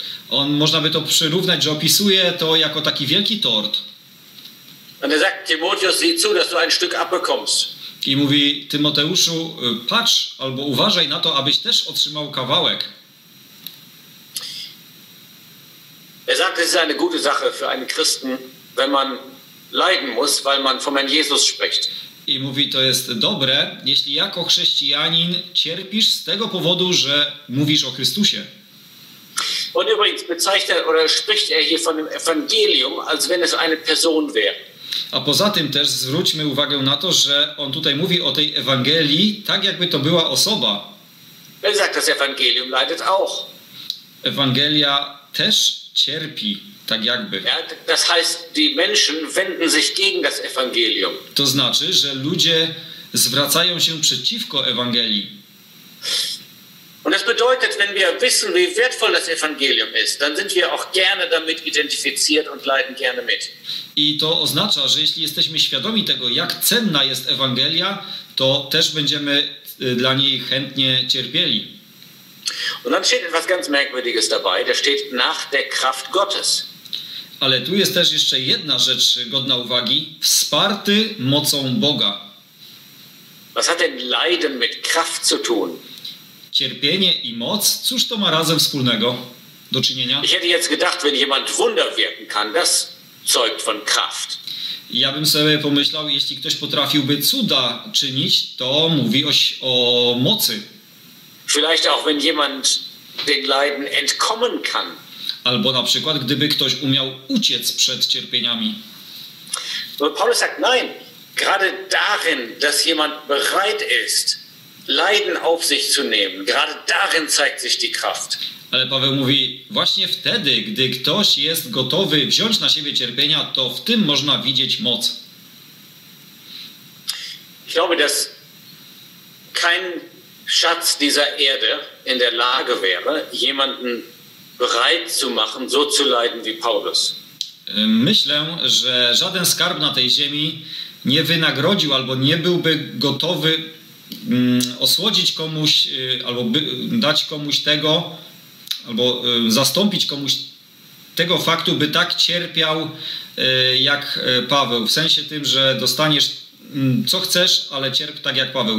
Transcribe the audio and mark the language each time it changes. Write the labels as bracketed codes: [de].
[pl] On można by to przyrównać, że opisuje to jako taki wielki tort. [de] Und er sagt, Timotheus, sieh zu, dass du ein Stück abbekommst. [pl] I mówi, Tymoteuszu, patrz albo uważaj na to, abyś też otrzymał kawałek. [de] Er sagt, es ist eine gute Sache für einen Christen, wenn man leiden muss, weil man vom Herrn Jesus spricht. [pl] I mówi, to jest dobre, jeśli jako chrześcijanin cierpisz z tego powodu, że mówisz o Chrystusie. [de] Und übrigens bezeichnet oder spricht er hier von dem Evangelium, als wenn es eine Person wäre. [pl] A poza tym też zwróćmy uwagę na to, że on tutaj mówi o tej Ewangelii tak, jakby to była osoba. [de] Er sagt, das Evangelium leidet auch. [pl] Ewangelia też cierpi, tak jakby. [de] Ja, das heißt, die Menschen wenden sich gegen das Evangelium. [pl] To znaczy, że ludzie zwracają się przeciwko Ewangelii. [de] Und das bedeutet, wenn wir wissen, wie wertvoll das Evangelium ist, dann sind wir auch gerne damit identifiziert und leiden gerne mit. [pl] I to oznacza, że jeśli jesteśmy świadomi tego, jak cenna jest Ewangelia, to też będziemy dla niej chętnie cierpieli. [de] Und dann steht etwas ganz Merkwürdiges dabei, da steht nach der Kraft Gottes. [pl] Ale tu jest też jeszcze jedna rzecz godna uwagi, wsparty mocą Boga. [de] Was hat denn Leiden mit Kraft zu tun? [pl] Cierpienie i moc, cóż to ma razem wspólnego do czynienia? [de] Ich hätte jetzt gedacht, wenn jemand Wunder wirken kann, das zeugt von Kraft. [pl] Ja bym sobie pomyślał, jeśli ktoś potrafiłby cuda czynić, to mówi o mocy. [de] Vielleicht auch, wenn jemand den Leiden entkommen kann. [pl] Albo na przykład, gdyby ktoś umiał uciec przed cierpieniami. [de] Aber Paulus sagt, nein, gerade darin, dass jemand bereit ist, Leiden auf sich zu nehmen. Gerade darin zeigt sich die Kraft. [pl] Ale Paweł mówi, właśnie wtedy, gdy ktoś jest gotowy wziąć na siebie cierpienia, to w tym można widzieć moc. [de] Ich glaube, dass kein Schatz dieser Erde in der Lage wäre, jemanden bereit zu machen, so zu leiden wie Paulus. [pl] Myślę, że żaden skarb na tej ziemi nie wynagrodził albo nie byłby gotowy osłodzić komuś albo dać komuś tego albo zastąpić komuś tego faktu, by tak cierpiał jak Paweł, w sensie tym, że dostaniesz co chcesz, ale cierp tak jak Paweł.